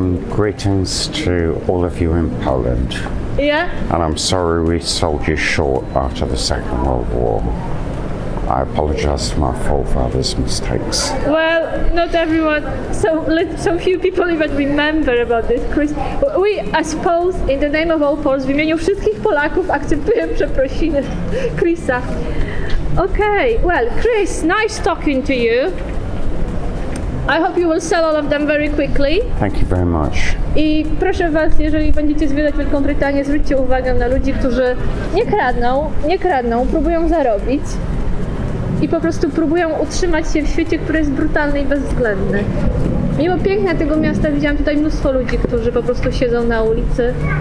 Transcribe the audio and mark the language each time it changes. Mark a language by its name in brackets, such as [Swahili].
[English] Greetings to all of you in Poland. Yeah? And I'm sorry we sold you short after the Second World War. I apologize for my forefathers' mistakes. Well, not everyone, so few people even remember about this, Chris. I suppose, in the name of all Poles, [Polish] w imieniu wszystkich Polaków, akceptuję przeprosiny Chrisa. [English] Okay, well, Chris, nice talking to you. I hope you will sell all of them very quickly. Thank you very much. [Polish] I proszę was, jeżeli będziecie zwiedzać Wielką Brytanię, zwróćcie uwagę na ludzi, którzy nie kradną, próbują zarobić. I po prostu próbują utrzymać się w świecie, który jest brutalny i bezwzględny. Mimo piękna tego miasta, widziałam tutaj mnóstwo ludzi, którzy po prostu siedzą na ulicy.